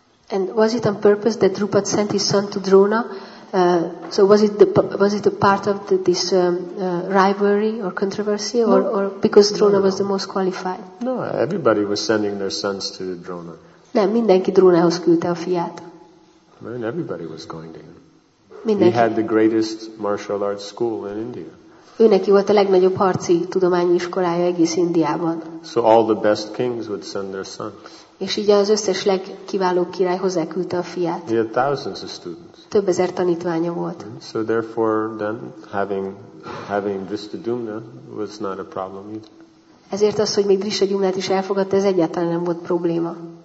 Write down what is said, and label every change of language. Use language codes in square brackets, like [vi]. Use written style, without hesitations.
[en] And was it on purpose that Drupad sent his son to Drona? So was it a part of this rivalry or controversy, or because Drona was the most qualified? No, everybody was sending their sons to Drona. [hu] Nem, mindenki Drónához küldte a fiát. [en] And everybody was going to him. [hu] Mindenki. [en] He had the greatest martial arts school in India. [hu] Ő neki volt a legnagyobb harci tudományi iskolája egész Indiában. [en] So all the best kings would send their sons. [hu] És így az összes legkiválóbb király hozzá küldte a fiát. [en] He had thousands of students. [hu] Több ezer tanítványa volt. Mm-hmm. [en] So therefore then having Drishtadyumna was not a problem either. [hu] Ezért az, hogy még Drishtadyumnát is elfogadta, ez egyáltalán nem volt probléma.